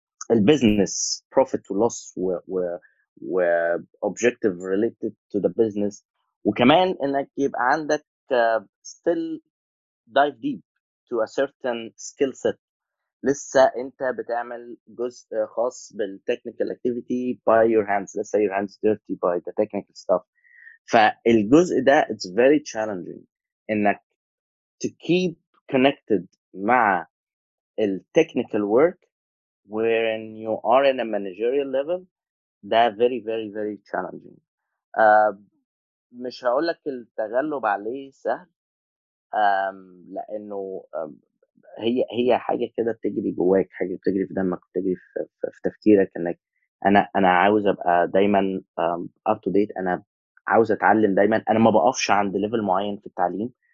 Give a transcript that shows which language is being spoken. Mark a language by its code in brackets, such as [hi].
[en] البيزنس بروفيت ولوس و objective related to the business, [ar] وكمان انك يبقى عندك [en] still dive deep to a certain skill set, [ar] لسه انت بتعمل جزء خاص [en] بالtechnical activity by your hands, لسه your hands dirty by the technical stuff. [ar] فالجزء ده [en] it's very challenging انك to keep connected مع التechnical work wherein you are in a managerial level. ده very very very challenging. [ar] مش هقولك التغلب عليه سهل, لأنه هي حاجة كده بتجري جواك, حاجة بتجري في دمك, بتجري في تفكيرك انك انا عاوز ابقى دايما [en] up to date, [ar] انا عاوز اتعلم دايما, انا ما بقفش عند ليفل معين في التعليم,